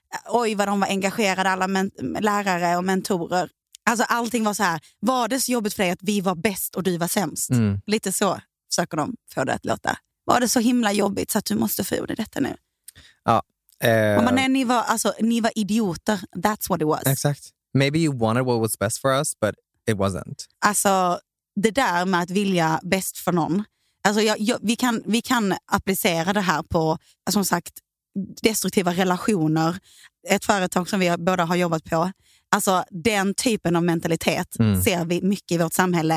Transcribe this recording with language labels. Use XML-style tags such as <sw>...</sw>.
<sv>Oj vad de var engagerade, alla lärare och mentorer. Alltså allting var så här, var det så jobbigt för dig att vi var bäst och du var sämst? Mm. Lite så försöker de få det att låta. Var det så himla jobbigt så att du måste få det detta nu? Ja, men nej, ni var idioter.</sv> <en>That's what it was.</en> <sv>Exakt.</sv> <en>Maybe you wanted what was best for us, but it wasn't.</en> <sv>Alltså, det där med att vilja bäst för någon. Alltså, vi kan applicera det här på, som sagt, destruktiva relationer. Ett företag som vi båda har jobbat på. Alltså, den typen av mentalitet ser vi mycket i vårt samhälle.</sv>